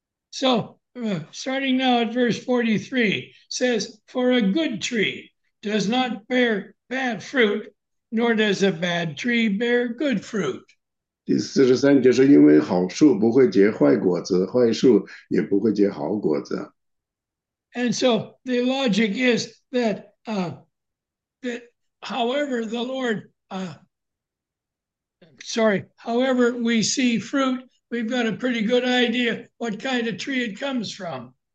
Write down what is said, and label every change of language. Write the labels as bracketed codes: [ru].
[en] So, starting now at verse 43 says, For a good tree does not bear bad fruit, nor does a bad tree bear good fruit. [zh] 第43节是因为好树不会结坏果子，坏树也不会结好果子。 [en] And so the logic is that however the Lord sorry, however we see fruit, we've got a pretty good idea what kind of tree it comes from.